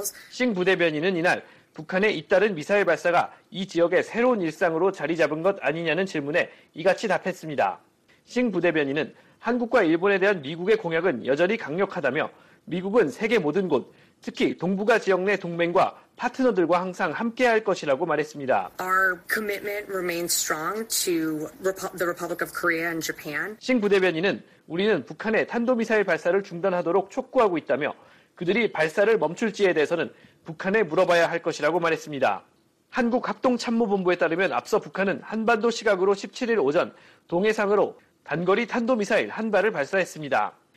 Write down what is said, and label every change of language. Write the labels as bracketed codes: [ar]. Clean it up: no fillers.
[ko] 싱 부대변인은 이날 북한의 잇따른 미사일 발사가 이 지역의 새로운 일상으로 자리 잡은 것 아니냐는 질문에 이같이 답했습니다. 싱 부대변인은 한국과 일본에 대한 미국의 공약은 여전히 강력하다며 미국은 세계 모든 곳, 특히 동북아 지역 내 동맹과 파트너들과 항상 함께할 것이라고 말했습니다. [en] Our commitment remains strong to the Republic of Korea and Japan. [ko] 싱 부대변인은 우리는 북한의 탄도미사일 발사를 중단하도록 촉구하고 있다며 그들이 발사를 멈출지에 대해서는 북한에 물어봐야 할 것이라고 말했습니다. 한국 합동참모본부에 따르면 앞서 북한은 한반도 시각으로 17일 오전 동해상으로 단거리 탄도미사일 한 발을 발사했습니다.